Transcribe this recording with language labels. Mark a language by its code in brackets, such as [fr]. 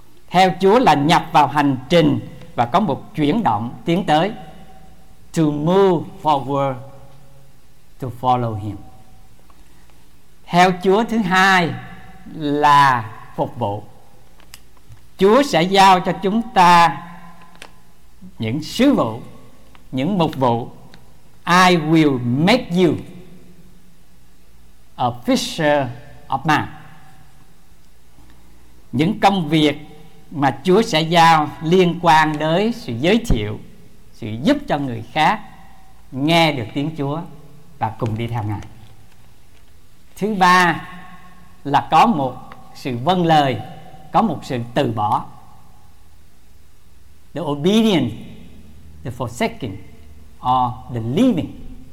[vi] Theo Chúa là nhập vào hành trình và có một chuyển động tiến tới, [en] to move forward, to follow Him. [vi] Theo Chúa thứ hai là phục vụ. Chúa sẽ giao cho chúng ta những sứ vụ, những mục vụ. [en] I will make you a fisher of man. [vi] Những công việc mà Chúa sẽ giao liên quan đến sự giới thiệu, sự giúp cho người khác nghe được tiếng Chúa và cùng đi theo Ngài. Thứ ba là có một sự vâng lời, có một sự từ bỏ, [en] the obedience, the forsaking or the leaving.